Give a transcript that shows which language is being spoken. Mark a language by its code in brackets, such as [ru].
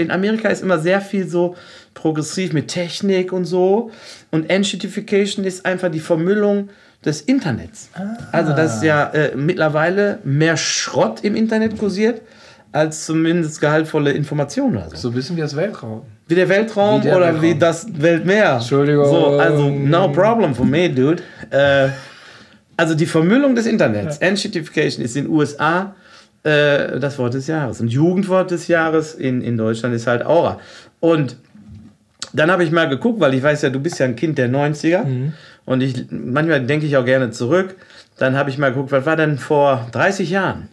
[de] In Amerika ist immer sehr viel so progressiv mit Technik und so. Und Enshittification ist einfach die Vermüllung des Internets. Ah. Also dass ja mittlerweile mehr Schrott im Internet kursiert, als zumindest gehaltvolle Informationen. So ein bisschen wie das Weltraum. Wie der Weltraum wie das Weltmeer. Entschuldigung. [en] So, also, no problem for me, dude. [de] Also die Vermüllung des Internets. Enshittification ist in den USA das Wort des Jahres. Und Jugendwort des Jahres in Deutschland ist halt Aura. Und dann habe ich mal geguckt, weil ich weiß ja, du bist ja ein Kind der 90er. Mhm. Und manchmal denke ich auch gerne zurück. Dann habe ich mal geguckt, was war denn vor 30 Jahren?